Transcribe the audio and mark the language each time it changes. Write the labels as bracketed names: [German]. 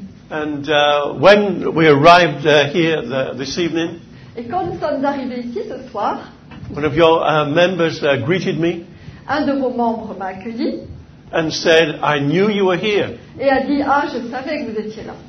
[English] And when we arrived here this evening, [French] et quand nous sommes arrivés ici ce soir, [English] one of your members greeted me. [French] Un de vos membres m'a accueilli. [English] And said, "I knew you were here." [French] Et a dit, ah, je savais que vous étiez là.